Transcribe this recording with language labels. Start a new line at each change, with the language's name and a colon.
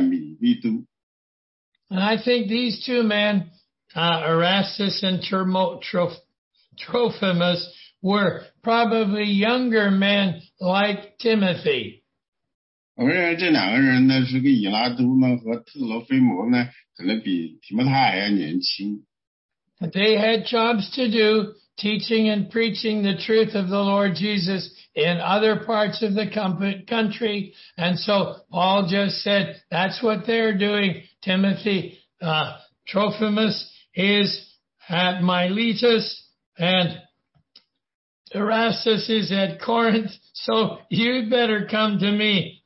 Chinese: 第二节说呢，以拉都在格林多住下了，特罗菲摩病了，我就留在他，我就留他在米利都。
English: And I think these two men, Erastus and Trophimus, were probably younger men like Timothy.
Chinese: 我认为这两个人呢，是个以拉都呢和特罗菲摩呢，可能比提摩太还要年轻。
English: They had jobs to do, teaching and preaching the truth of the Lord Jesus in other parts of the country. And so Paul just said, that's what they're doing. Timothy, Trophimus is at Miletus and Erastus is at Corinth, so you better come to me.